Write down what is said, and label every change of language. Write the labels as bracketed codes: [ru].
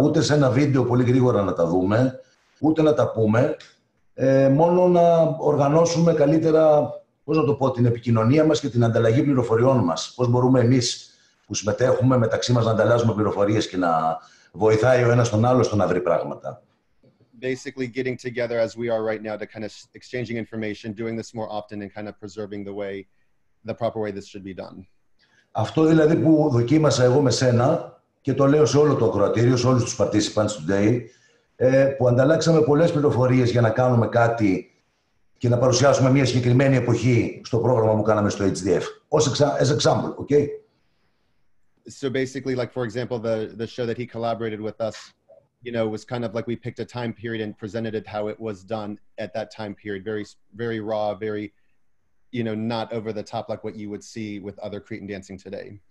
[el] ούτε σε ένα βίντεο πολύ γρήγορα να τα δούμε, ούτε να τα πούμε. Μόνο να οργανώσουμε καλύτερα, πώς να το πω, την επικοινωνία μας και την ανταλλαγή πληροφοριών μας. Πώς μπορούμε εμείς που συμμετέχουμε μεταξύ μας να ανταλλάζουμε πληροφορίες και να βοηθάει ο ένας τον άλλο στο να βρει πράγματα. [en] basically getting together as we are right now to kind of exchanging information, doing this more often and kind of preserving the way, the proper way this should be done. [el] Αυτό δηλαδή που δοκίμασα εγώ με σένα και το λέω σε όλο το ακροατήριο, σε όλους τους participants today, που ανταλλάξαμε πολλές πληροφορίες για να κάνουμε κάτι και να παρουσιάσουμε μια συγκεκριμένη εποχή στο πρόγραμμα που κάναμε στο HDF. [en] Ως as example, okay? So basically, like for example, the show that he collaborated with us, you know, was kind of like we picked a time period and presented it how it was done at that time period, very, very raw, very, you know, not over the top like what you would see with other Cretan dancing today.